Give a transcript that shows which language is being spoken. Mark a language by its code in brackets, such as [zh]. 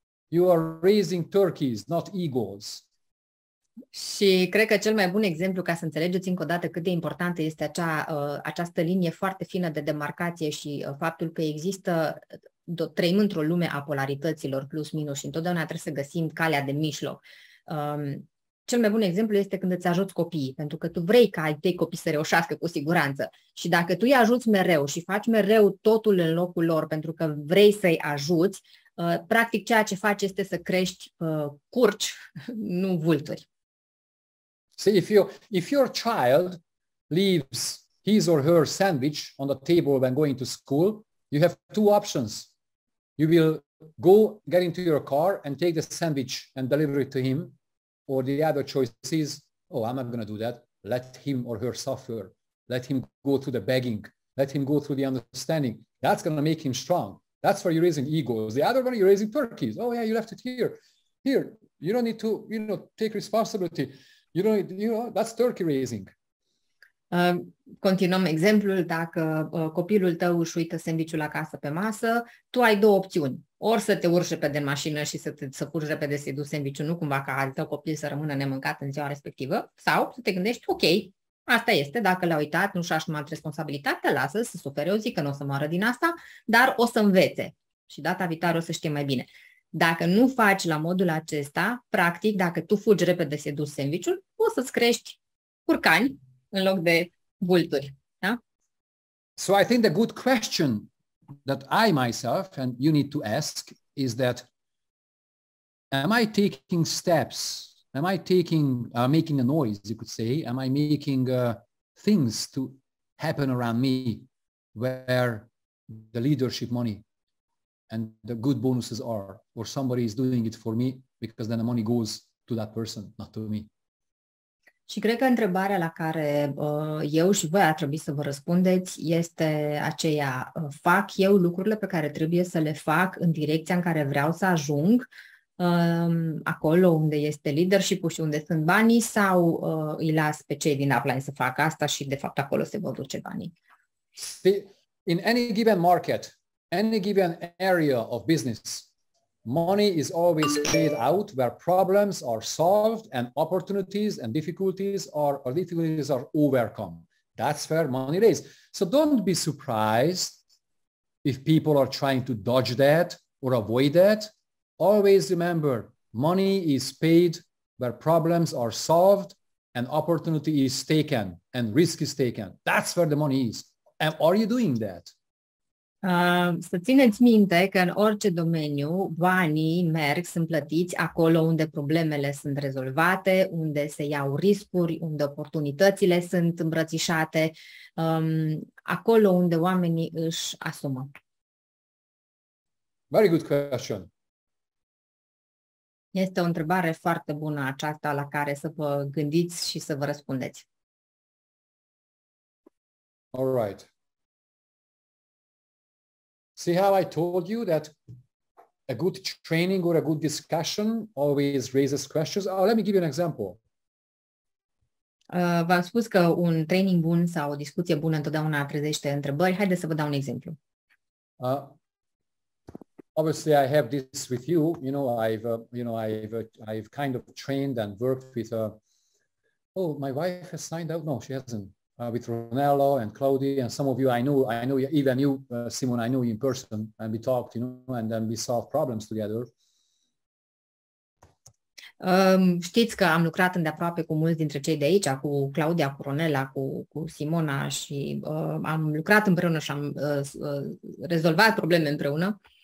[en] You are raising turkeys, not eagles. [ro] Și cred că cel mai bun exemplu ca să înțelegeți încă o dată cât de importantă este această linie foarte fină de demarcație și faptul că există, trăim într-o lume a polarităților plus minus și întotdeauna trebuie să găsim calea de mijloc. Cel mai bun exemplu este când îți ajuți copiii, pentru că tu vrei ca ai tăi copii să reușească cu siguranță și dacă tu îi ajuți mereu și faci mereu totul în locul lor pentru că vrei să-i ajuți, practic ceea ce faci este să crești curci, nu vulturi. [en] See, if your child leaves his or her sandwich on the table when going to school, you have two options. You will go get into your car and take the sandwich and deliver it to him, or the other choice is, oh, I'm not going to do that. Let him or her suffer. Let him go through the begging. Let him go through the understanding. That's going to make him strong. That's where you're raising egos. The other one, you're raising turkeys. Oh, yeah, you left it here. Here, you don't need to, you know, take responsibility. You don't need, you know, that's turkey raising. [ro] Continuăm exemplul, dacă copilul tău își uită sandwich-ul acasă pe masă, tu ai două opțiuni. Ori să te urci repede în mașină și să curgi repede să-i duci sandwich-ul, nu cumva ca al tău copil să rămână nemâncat în ziua respectivă, sau să te gândești, ok, asta este, dacă l-a uitat, nu și-a asumat responsabilitatea, lasă să sufere o zi, că nu o să moară din asta, dar o să învețe și data viitoare o să știe mai bine. Dacă nu faci la modul acesta, practic, dacă tu fugi repede să-i duci sandwich-ul, o să-ți crești curcani în loc de vulturi. Da? [en] So I think the good question that I myself and you need to ask is that am I taking steps? Am I taking, making a noise, you could say? Am I making things to happen around me where the leadership money and the good bonuses are, or somebody is doing it for me because then the money goes to that person, not to me? [ro] Și cred că întrebarea la care eu și voi ar trebui să vă răspundeți este aceea, fac eu lucrurile pe care trebuie să le fac în direcția în care vreau să ajung, acolo unde este leadership-ul și unde sunt banii, sau îi las pe cei din upline să facă asta și de fapt acolo se vor duce banii? [en] In any given market, any given area of business, money is always paid out where problems are solved and opportunities and difficulties are overcome. That's where money is. So don't be surprised if people are trying to dodge that or avoid that. Always remember, money is paid where problems are solved and opportunity is taken and risk is taken. That's where the money is. And are you doing that? [ro] Să țineți minte că în orice domeniu banii merg, sunt plătiți acolo unde problemele sunt rezolvate, unde se iau riscuri, unde oportunitățile sunt îmbrățișate, acolo unde oamenii își asumă. [en] Very good question. [ro] Este o întrebare foarte bună aceasta la care să vă gândiți și să vă răspundeți. [en] All right. See how I told you that a good training or a good discussion always raises questions? Oh, let me give you an example. [ro] V-am spus că un training bun sau o discuție bună întotdeauna trezește întrebări. Haideți să vă dau un exemplu. [en] Obviously, I have this with you. You know, I've kind of trained and worked with. My wife has signed out. No, she hasn't. With Ronello and Claudia and some of you, I know even you, Simon, I know you in person, and we talked, you know, and then we solved problems together. [ro] Știți că am lucrat îndeaproape cu mulți dintre cei de aici, cu Claudia, cu Ronella, cu Simona, și am lucrat împreună și am rezolvat probleme împreună.